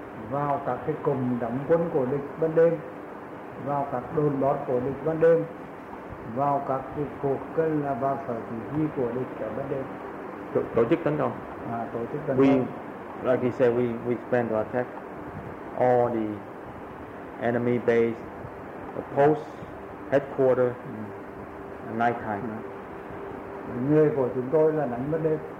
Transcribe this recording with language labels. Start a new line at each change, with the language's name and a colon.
Vietnamese: Vào các cái cụm đóng quân của địch ban đêm, vào các đồn đóng của địch ban đêm, vào các cái cuộc cân là vào sở chỉ huy của địch ở ban đêm. Tổ chức tấn công. Tổ chức tấn công.
English: We, like he said, we plan to attack all the enemy base, the post, headquarters, night time.
Vietnamese: Nghề của chúng tôi là đánh ban đêm.